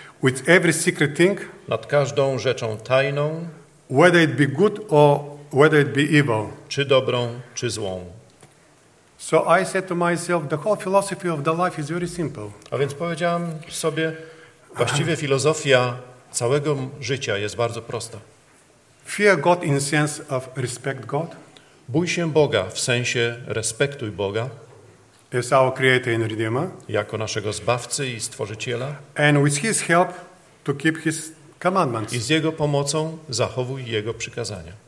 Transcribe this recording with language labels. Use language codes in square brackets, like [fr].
[en] With every secret thing, [pl] nad każdą rzeczą tajną, [en] whether it be good or whether it be evil, [pl] czy dobrą, czy złą. [en] So I said to myself, the whole philosophy of the life is very simple. [pl] A więc powiedziałem sobie, właściwie filozofia całego życia jest bardzo prosta. [en] Fear God in the sense of respect God. [pl] Bój się Boga w sensie respektuj Boga. [en] As our creator and redeemer, [pl] jako naszego Zbawcy i Stworzyciela, [en] and with his help to keep his commandments. [pl] I z jego pomocą zachowuj jego przykazania.